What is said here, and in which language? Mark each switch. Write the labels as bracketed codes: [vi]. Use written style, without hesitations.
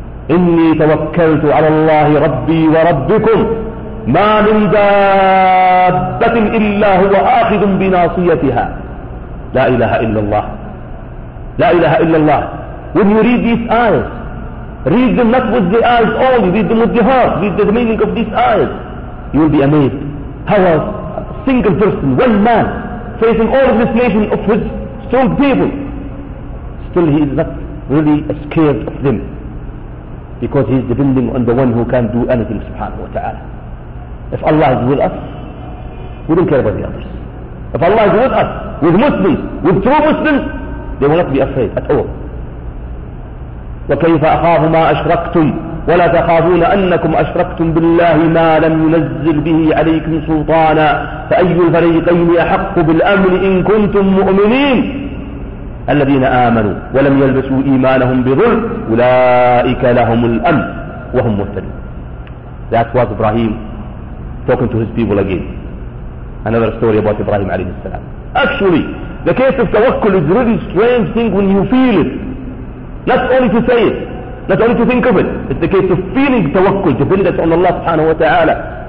[ar] إني توكلت على الله ربي وربكم. ما من دابة إلا هو آخذ بناصيتها. لا إله إلا الله. لا إله إلا الله. [en] When you read these ayahs, read them not with the eyes only, read them with the heart, read the meaning of these ayahs, you will be amazed. How a single person, one man, facing all of this nation of his strong people, still he is not really scared of them. Because he is depending on the one who can do anything, subhanahu wa ta'ala. If Allah is with us, we don't care about the others. If Allah is with us, with Muslims, with true Muslims, they will not be afraid at all. [ar] وَكَيْفَ أَخَافُ مَا أَشْرَكْتُمْ وَلَا تَخَافُونَ أَنَّكُمْ أَشْرَكْتُمْ بِاللَّهِ مَا لَمْ يُنَزِّلْ بِهِ عَلَيْكُمْ سُلْطَانًا فَأَيُّ الْفَرِيقَيْنِ أَحَقُّ بِالْأَمْنِ إِن كُنْتُمْ مُؤْمِنِينَ. الذين آمنوا ولم يلبسوا إيمانهم بظلم أولئك لهم الأمن وهم مهتدون. [en] That was Ibrahim talking to his people again. Another story about Ibrahim عليه السلام. Actually, the case of tawakkul is really strange thing when you feel it. Not only to say it, not only to think of it. It's the case of feeling tawakkul, dependence on Allah subhanahu wa ta'ala.